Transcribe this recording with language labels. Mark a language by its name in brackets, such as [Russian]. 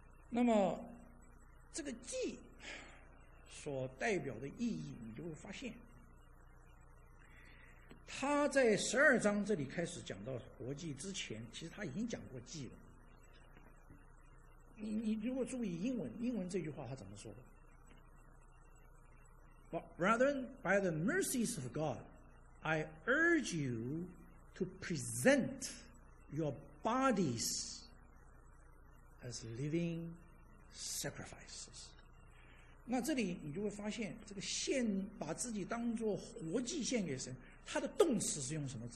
[Chinese] 那么这个祭所代表的意义，你就会发现他在12章这里开始讲到活祭之前，其实他已经讲过祭了。你如果注意英文这句话他怎么说的？ [English] Brethren, by the mercies of God, I urge you to present your bodies as living sacrifices. [Chinese] 那这里你就会发现这个献，把自己当作活祭献给神，它的动词是用什么？